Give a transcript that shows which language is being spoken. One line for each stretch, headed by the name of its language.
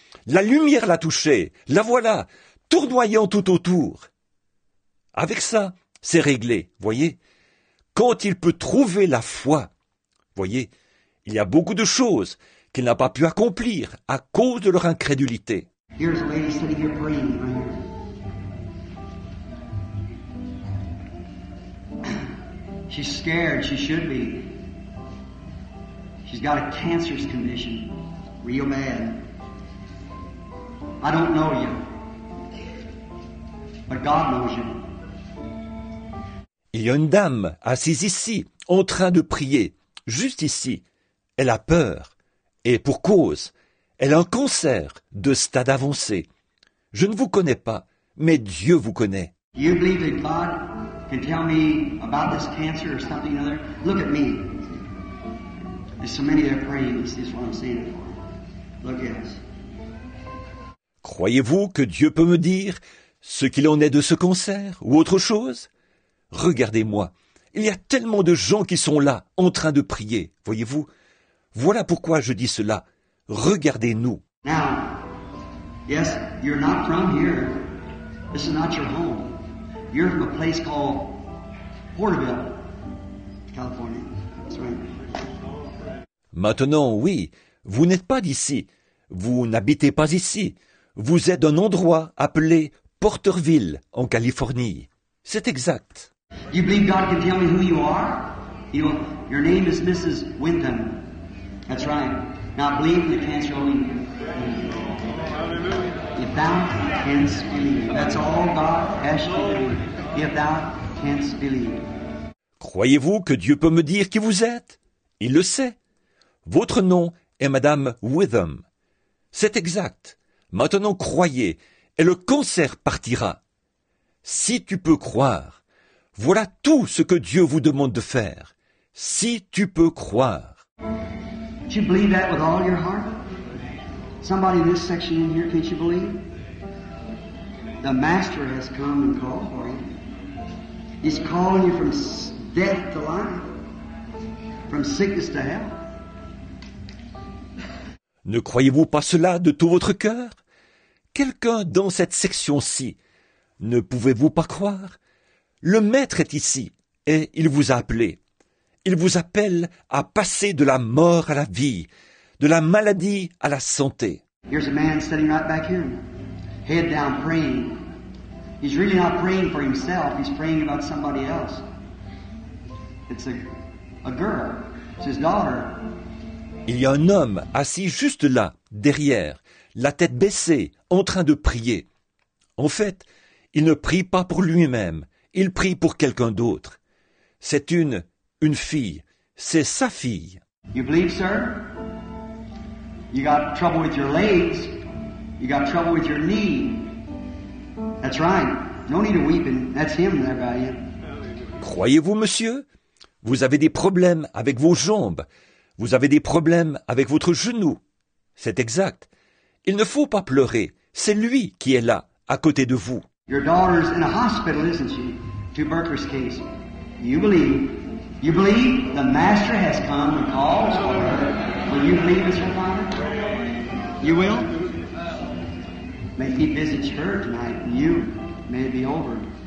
French: La lumière l'a touchée. La voilà, tournoyant tout autour. Avec ça, c'est réglé, voyez. Quand il peut trouver la foi, voyez, il y a beaucoup de choses qu'il n'a pas pu accomplir à cause de leur incrédulité.
English: Here's a lady sitting here praying. She's scared, she should be. She's got a cancerous condition, real bad. I don't know you, but God knows you.
French: Il y a une dame assise ici, en train de prier, juste ici. Elle a peur. Et pour cause, elle a un cancer de stade avancé. Je ne vous connais pas, mais Dieu vous connaît.
English: You believe that God can tell me about this cancer or something or other? Look at me. There's so many that are praying, this is what I'm saying for. Look at us.
French: Croyez-vous que Dieu peut me dire ce qu'il en est de ce cancer ou autre chose? Regardez-moi, il y a tellement de gens qui sont là en train de prier, voyez-vous? Voilà pourquoi je dis cela. Regardez-nous.
English: Now, yes, you're not from here. This is not your home. You're from a place called Porterville, California. That's right.
French: Maintenant, oui, vous n'êtes pas d'ici. Vous n'habitez pas ici. Vous êtes d'un endroit appelé Porterville, en Californie. C'est exact.
English: You believe God can tell me who you are? You know, your name is Mrs. Wyndham. That's right. Now believe in the cancer only. If thou canst believe. That's all God has to do. If thou canst believe.
French: Croyez-vous que Dieu peut me dire qui vous êtes? Il le sait. Votre nom est Madame Witham. C'est exact. Maintenant croyez et le cancer partira. Si tu peux croire, voilà tout ce que Dieu vous demande de faire. Si tu peux croire.
English: Can't you believe that with all your heart? Somebody in this section in here, can't you believe? The Master has come and called for you. He's calling you from death to life, from sickness to health.
French: Ne croyez-vous pas cela de tout votre cœur? Quelqu'un dans cette section-ci, ne pouvez-vous pas croire? Le Maître est ici et il vous a appelé. Il vous appelle à passer de la mort à la vie, de la maladie à la santé.
English: Here's a man sitting right back here, head down praying. He's really not praying for himself, he's praying about somebody else. It's a girl. It's his daughter.
French: Il y a un homme assis juste là, derrière, la tête baissée, en train de prier. En fait, il ne prie pas pour lui-même, il prie pour quelqu'un d'autre. C'est une fille, c'est sa fille.
English: You believe, sir? You got trouble with your legs. You got trouble with your knee. That's right. No need to weep. That's him there by you.
French: Croyez-vous, monsieur? Vous avez des problèmes avec vos jambes. Vous avez des problèmes avec votre genou. C'est exact. Il ne faut pas pleurer. C'est lui qui est là, à côté de vous.
English: Your daughter's in a hospital, isn't she? To Berker's case. You believe? You believe the Master has come and calls for her? Will you believe as her father? You will? May he visit her tonight, and you may it be over.